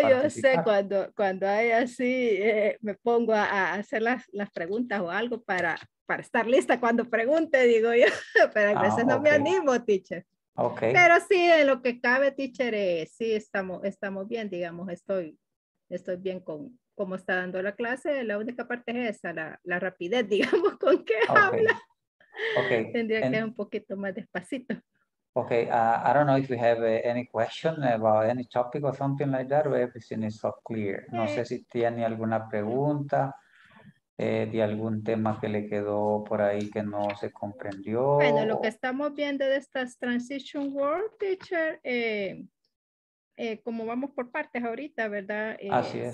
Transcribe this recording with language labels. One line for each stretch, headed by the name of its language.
Spanish: Sí, no, yo sé, cuando hay así, me pongo a hacer las preguntas o algo para estar lista cuando pregunte, digo yo, pero a veces no me animo, teacher.
English: Ok.
Spanish: Pero sí, en lo que cabe, teacher, sí, estamos bien, digamos, estoy bien con cómo está dando la clase. La única parte es esa, la rapidez, digamos, con qué habla.
English: Okay.
Spanish: Tendría que ir un poquito más despacito.
English: Okay, I don't know if we have any question about any topic or something like that, or everything is so clear.
Spanish: Okay. No sé si tiene alguna pregunta de algún tema que le quedó por ahí que no se comprendió. Bueno, lo que estamos viendo de estas transition words, teacher, como vamos por partes ahorita, ¿verdad? Así es.